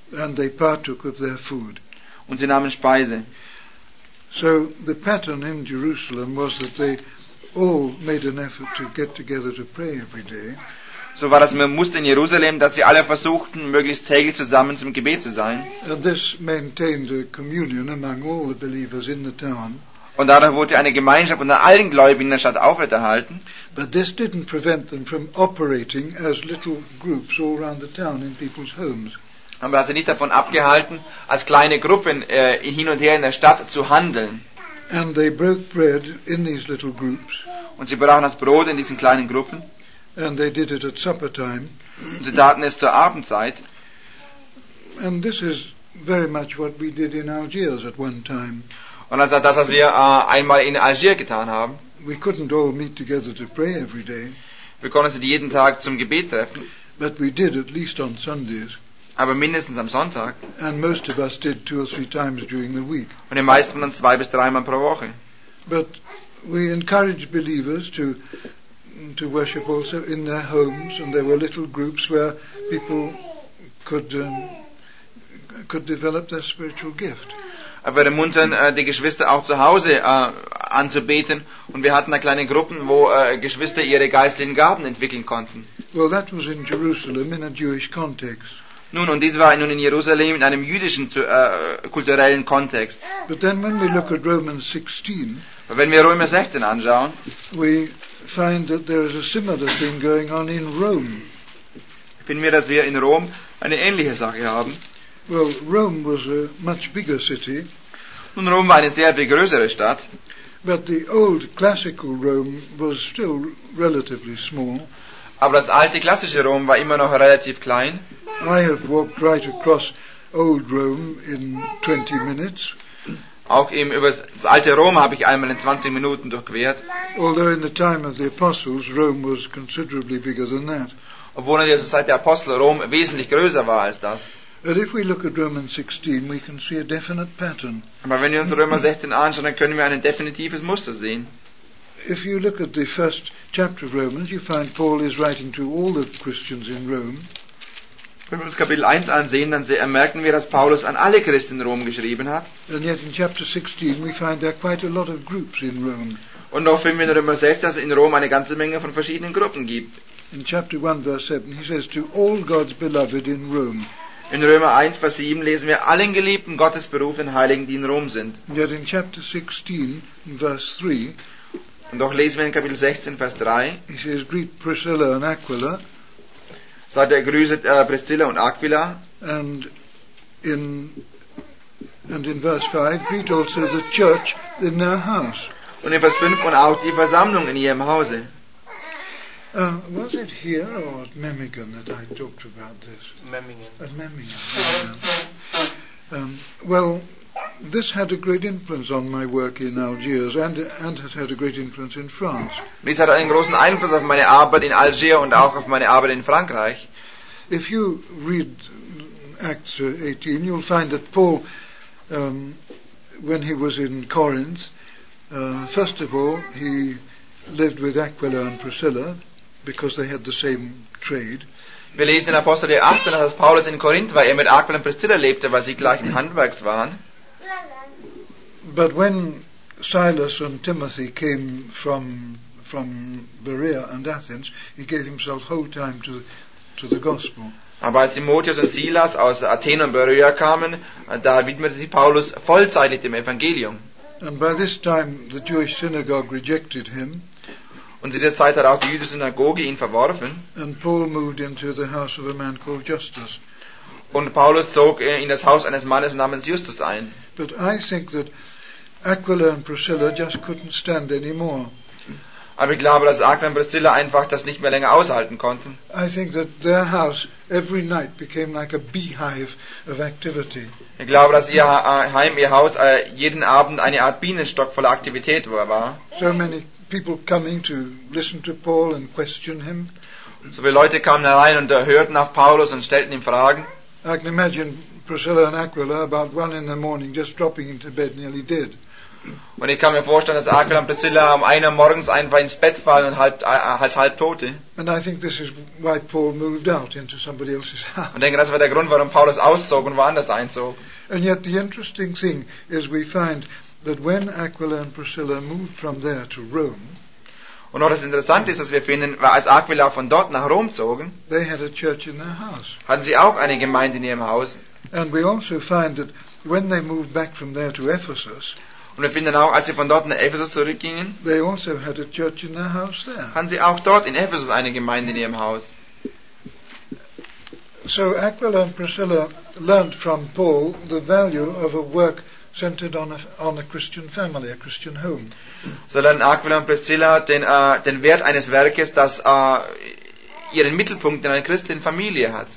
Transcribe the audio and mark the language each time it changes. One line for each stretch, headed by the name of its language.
English: And they partook of their food.
German: Und sie nahmen Speise.
English: So the pattern in Jerusalem was that they all made an effort to get together to pray every day.
German: So war das Muster in Jerusalem, dass sie alle versuchten, möglichst täglich zusammen zum Gebet zu sein.
English: And this maintained a communion among all the believers in the town.
German: Und dadurch wurde eine Gemeinschaft unter allen Gläubigen in der Stadt aufrechterhalten.
English: But this didn't prevent them from operating as little groups all around the town in people's homes.
German: Aber hat sie nicht davon abgehalten, als kleine Gruppen hin und her in der Stadt zu handeln.
English: And they broke bread in these little groups.
German: Und sie brachen das Brot in diesen kleinen Gruppen.
English: And they did it at supper time.
German: Und sie taten es zur Abendzeit.
English: And this is very much what we did in Algiers at one time.
German: Und das ist das, was wir einmal in Algier getan haben.
English: We couldn't all meet together to pray every day.
German: Wir konnten sie jeden Tag zum Gebet treffen.
English: But we did at least on Sundays.
German: Aber mindestens am Sonntag.
English: And most of us did two or three times during the week.
German: Und die meisten von uns zwei bis dreimal pro Woche.
English: But we encouraged believers to worship also in their homes, and there were little groups where people could develop their spiritual gift.
German: Aber wir ermuntern die Geschwister auch zu Hause anzubeten, und wir hatten da kleine Gruppen, wo Geschwister ihre geistlichen Gaben entwickeln konnten.
English: Well, that was in Jerusalem in a Jewish context.
German: Nun, und dies war nun in Jerusalem in einem jüdischen kulturellen Kontext.
English: But then when we look at Romans 16,
German: aber wenn wir Römer 16 anschauen,
English: we find that there is a similar thing going on in Rome.
German: Ich bin mir, dass wir in Rom eine ähnliche Sache haben.
English: Well, Rome was a much bigger city.
German: Nun, Rom war eine sehr viel größere Stadt.
English: But the old classical Rome was still relatively small.
German: Aber das alte klassische Rom war immer noch relativ klein.
English: I have walked right across old Rome in 20 minutes.
German: Auch eben über das alte Rom habe ich einmal in 20 Minuten durchquert.
English: Although in the time of the apostles, Rome was considerably bigger than that.
German: Obwohl in der Zeit der Apostel Rom wesentlich größer war als das.
English: But if we look at Romans 16, we can see a definite pattern.
German: Aber wenn wir uns Römer 16 anschauen, dann können wir ein definitives Muster sehen.
English: If you look at the first chapter of Romans, you find Paul is writing to all the Christians in Rome.
German: Wenn wir uns Kapitel 1 ansehen, dann merken wir, dass Paulus an alle Christen in Rom geschrieben hat.
English: And yet in chapter 16 we find there are quite a lot of groups in Rome.
German: Und noch finden wir in Römer 16, dass es in Rom eine ganze Menge von verschiedenen Gruppen gibt.
English: In chapter 1 verse 7 he says to all God's beloved in Rome.
German: In Römer 1, Vers 7 lesen wir allen geliebten Gottes berufenen Heiligen, die in Rom sind.
English: Yet in chapter 16, verse 3,
German: und doch lesen wir in Kapitel 16, Vers 3,
English: he says, greet Priscilla and Aquila.
German: Sagt er, grüßet Priscilla und Aquila.
English: And in verse 5, greet also the church in their house.
German: Und in Vers 5 und auch die Versammlung in ihrem Hause.
English: Was it here or at Memmingen that I talked about this?
German: Memmingen.
English: At Memmingen. Well, this had a great influence on my work in Algiers, and has had a great influence in France.
German: Dies hat einen großen Einfluss auf meine Arbeit in Algier und auch auf meine Arbeit in Frankreich.
English: If you read Acts 18, you'll find that Paul, when he was in Corinth, first of all, he lived with Aquila and Priscilla, because they had the same trade.
German: Wir lesen in Apostel 18, dass Paulus in Korinth war, er mit Aquila und Priscilla lebte, weil sie gleichen Handwerks waren.
English: But when Silas and Timothy came from Berea and Athens, he gave himself whole time to the gospel.
German: Aber als Timotheus und Silas aus Athen und Berea kamen, da widmete sich Paulus vollzeitig dem Evangelium.
English: And by this time the Jewish synagogue rejected him.
German: Und zu dieser Zeit hat auch die jüdische Synagoge ihn verworfen.
English: And Paul moved into the house of a man called Justus.
German: Und Paulus zog in das Haus eines Mannes namens Justus ein.
English: But I think that Aquila and Priscilla just couldn't stand anymore.
German: Aber ich glaube, dass Aquila und Priscilla einfach das nicht mehr länger aushalten konnten.
English: I think that their house every night became like a beehive of activity.
German: Ich glaube, dass ihr Heim, ihr Haus jeden Abend eine Art Bienenstock voller Aktivität war.
English: So many people coming to listen to Paul and question him.
German: So viele Leute kamen herein und hörten auf Paulus und stellten ihm Fragen.
English: I can imagine Priscilla and Aquila about 1 a.m. just dropping into bed nearly dead.
German: Und ich kann mir vorstellen, dass Aquila und Priscilla um 1 Uhr morgens einfach ins Bett fallen und halb tote.
English: And I think this is why Paul moved out into somebody else's house.
German: Und denke, das war der Grund, warum Paulus auszog und woanders einzog.
English: And yet the interesting thing is we find that when Aquila and Priscilla moved from there to Rome.
German: Und noch das Interessante ist, dass wir finden, weil als Aquila von dort nach Rom zogen,
English: they had a church in their house.
German: Hatten sie auch eine Gemeinde in ihrem Haus.
English: And we also find that when they moved back from there to Ephesus.
German: Und wir finden auch, als sie von dort nach Ephesus zurückgingen,
English: they also had a church in their house there.
German: Hatten sie auch dort in Ephesus eine Gemeinde in ihrem Haus.
English: So Aquila and Priscilla learned from Paul the value of a work centered on a Christian family, a Christian home.
German: So lernen Aquila und Priscilla den Wert eines Werkes, das ihren Mittelpunkt in einer christlichen Familie hat.